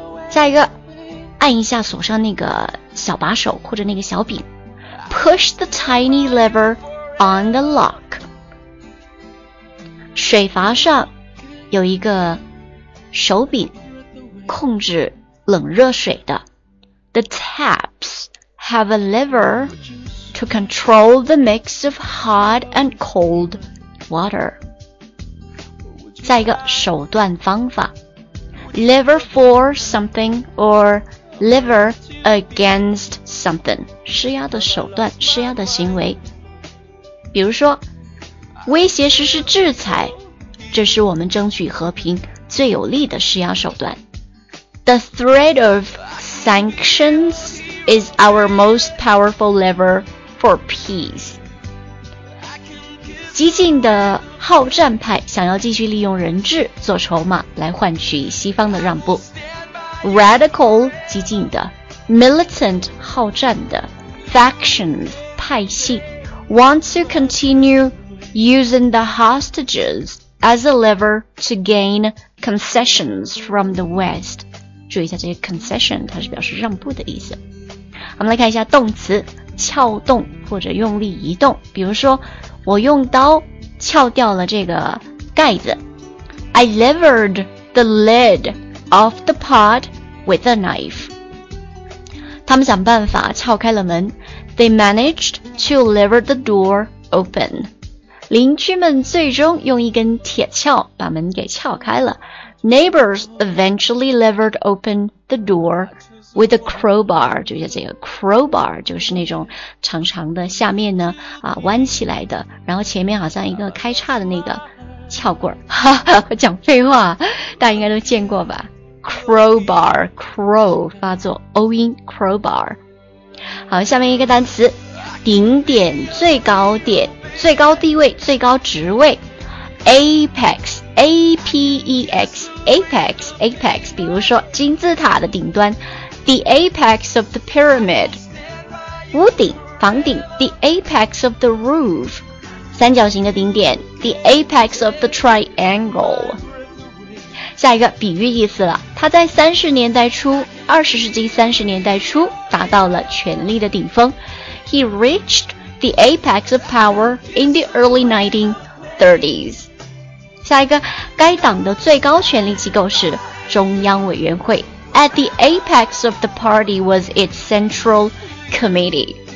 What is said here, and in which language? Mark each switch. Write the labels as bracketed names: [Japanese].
[Chinese] 下一个，按一下锁上那个小把手或者那个小柄。 [English] Push the tiny lever on the lock. [Chinese] 水阀上有一个手柄控制冷热水的。 [English] The taps have a lever to control the mix of hot and cold water. [Chinese] 再一个手段方法。 [English] Lever for something or lever against something. [Chinese] 施压的手段，施压的行为。比如说，威胁实施制裁，这是我们争取和平最有力的施压手段。 [English] The threat of sanctions is our most powerful lever for peace. [Chinese] 激进的好战派想要继续利用人质做筹码来换取西方的让步。 [English] Radical 激进的 ,militant 好战的 ,factions 派系 ,want to continue using the hostages as a lever to gain concessions from the West. [Chinese] 注意一下这些 concession, 它是表示让步的意思。我们来看一下动词撬动或者用力移动。比如说我用刀撬掉了这个盖子。 [English] I levered the lid off the pot with a knife. [Chinese] 他们想办法撬开了门。 [English] They managed to lever the door open. [Chinese] 邻居们最终用一根铁撬把门给撬开了。 [English] Neighbors eventually levered open the door with a crowbar. [Chinese] 就是这个 crowbar, 就是那种长长的下面呢啊弯起来的，然后前面好像一个开叉的那个撬棍。哈哈，讲废话，大家应该都见过吧。 [English] Crowbar, crow, [Chinese] 发作 [English] O 音 crowbar。 [Chinese] 好，下面一个单词，顶点，最高点。最高地位，最高职位 ，apex, a p e x, apex, apex。比如说金字塔的顶端 ， [English] the apex of the pyramid， [Chinese] 屋顶、房顶 ， [English] the apex of the roof， [Chinese] 三角形的顶点 ， [English] the apex of the triangle。 [Chinese] 下一个比喻意思了，它在30年代初，20世纪30年代初达到了权力的顶峰 ， [English] he reached。 The apex of power in the early 1930s. [Chinese] 下一个，该党的最高权力机构是中央委员会。 [English] At the apex of the party was its central committee.